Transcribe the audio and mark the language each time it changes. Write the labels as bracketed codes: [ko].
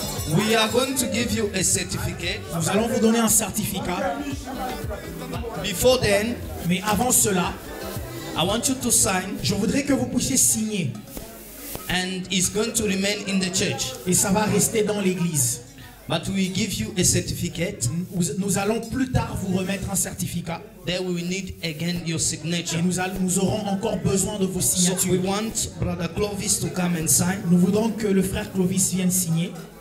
[en] We are going to give you a certificate. [fr] Nous allons vous donner un certificat. [en] Before then, [fr] mais avant cela, [en] I want you to sign. [fr] Je voudrais que vous puissiez signer. [en] And it's going to remain in the church. [fr] Et ça va rester dans l'église. [en] But we give you a certificate. [fr] Nous allons plus tard vous remettre un certificat. [en] Then we will need again your signature. [fr] Et nous aurons encore besoin de vos signatures. [en] So we want Brother Clovis to come and sign. [fr] Nous voudrons que le frère Clovis vienne signer.